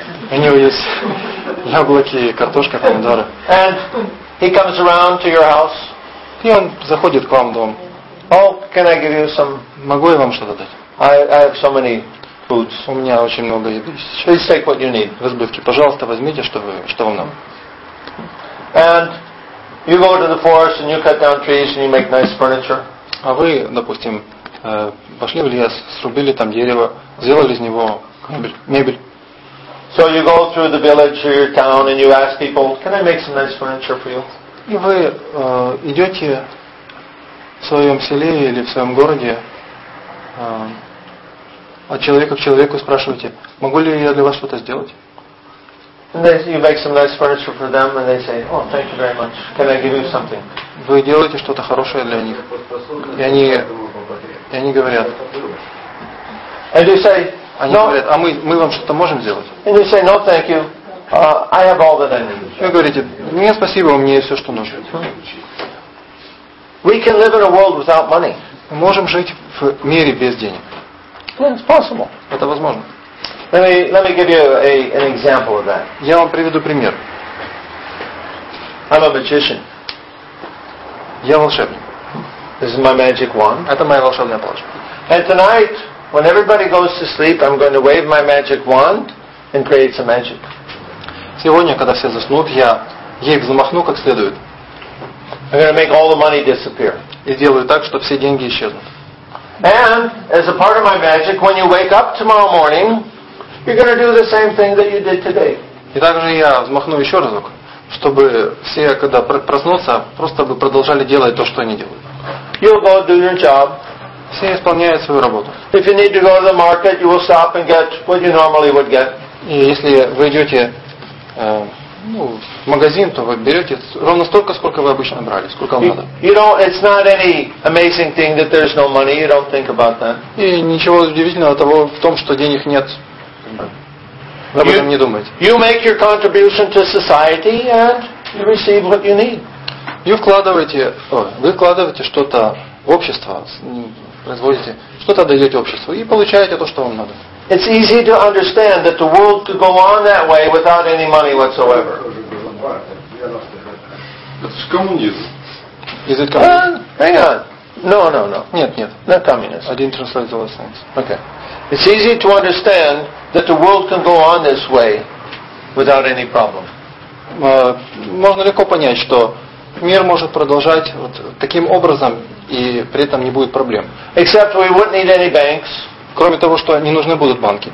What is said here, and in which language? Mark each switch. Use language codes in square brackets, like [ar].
[ru] У него есть яблоки, картошка, помидоры. [en] And he comes around to your house. [ru] И он заходит к вам в дом. [en] Oh, can I give you some? [ru] Могу я вам что-то дать? [en] I have so many foods. [ru] У меня очень много еды. [en] Please take what you need. [ru] В избытке. Пожалуйста, возьмите, что вам нам. [en] And you go to the forest and you cut down trees and you make nice furniture. [ru] А вы, допустим, пошли в лес, срубили там дерево, сделали из него мебель. [en] So you go through the village or your town and you ask people, can I make some nice furniture for you? [ru] И вы идете в своем селе или в своем городе, от человека к человеку спрашиваете, могу ли я для вас что-то сделать? [en] And then you make some nice furniture for them, and they say, oh, thank you very much. Can I give you something? [ru] Вы делаете что-то хорошее для них, и они говорят. [en] And you say, [ru] они [en] no. [ru] Говорят, а мы вам что-то можем сделать? [en] And you say, no, thank you. I have all that I need. [ru] Вы говорите, нет, спасибо, у меня есть все, что нужно. [en] We can live in a world without money. [ru] Мы можем жить в мире без денег. [en] It's possible. [ru] Это возможно. [en] Let me give you an example of that. [ru] Я вам приведу пример. [en] I'm a magician. [ru] Я волшебник. [en] This is my magic wand. [ru] Это моя волшебная палочка. [en] And tonight, when everybody goes to sleep, I'm going to wave my magic wand and create some magic. [ru] Сегодня, когда все заснут, я ей взмахну как следует. [en] I'm going to make all the money disappear. [ru] И сделаю так, чтобы все деньги исчезнут. [en] And as a part of my magic, when you wake up tomorrow morning, you're going to do the same thing that you did today. [ru] И также я взмахну еще разок, чтобы все, когда проснутся, просто бы продолжали делать то, что они делают. [en] You'll go do your job. [ru] Все исполняют свою работу. [en] If you need to go to the market, you will stop and get what you normally would get. [ru] И если вы идете в магазин, то вы берете ровно столько, сколько вы обычно брали, сколько вам надо. [en] You know, it's not any amazing thing that there's no money. You don't think about that. [ru] И ничего удивительного того в том, что денег нет. Вы об этом не думаете. [en] You make your contribution to society and you receive what you need. [ru] Вы вкладываете что-то в общество, производите, что-то даете обществу и получаете то, что вам надо. [en] It's easy to understand that the world could go on that way without any money whatsoever. [ru] Это же коммунизм. [en] Is it communism? Hang on. No. [ru] Нет, нет. [en] Not communism. I didn't translate the last sentence. Okay. It's easy to understand that the world can go on this way without any problem. [ru] Можно легко понять, что мир может продолжать вот таким образом, и при этом не будет проблем. [en] Except we wouldn't need any banks. [ru] Кроме того, что не нужны будут банки.